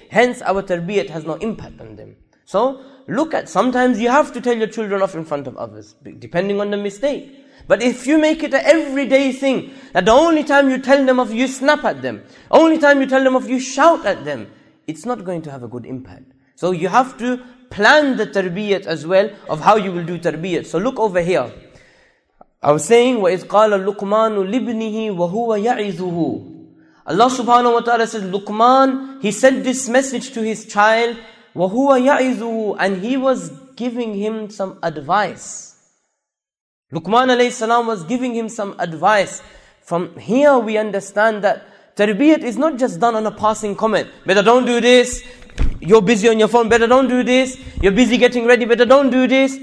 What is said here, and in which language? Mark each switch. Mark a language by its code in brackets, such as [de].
[en] Hence our tarbiyat has no impact on them. So look at, sometimes you have to tell your children off in front of others, depending on the mistake. But if you make it an everyday thing, that the only time you tell them off, you snap at them. Only time you tell them off, you shout at them. It's not going to have a good impact. So you have to plan the tarbiyat as well, of how you will do tarbiyat. So look over here. [ar] I was saying, وَإِذْ قَالَ لُقْمَانُ لِبْنِهِ وَهُوَ يَعِذُهُ. [en] Allah subhanahu wa ta'ala says, Luqman, he sent this message to his child, [ar] وَهُوَ يَعِذُهُ, [en] and he was giving him some advice. Luqman alayhi salam was giving him some advice. From here we understand that tarbiyat is not just done on a passing comment. Better don't do this. You're busy on your phone. Better don't do this. You're busy getting ready. Better don't do this.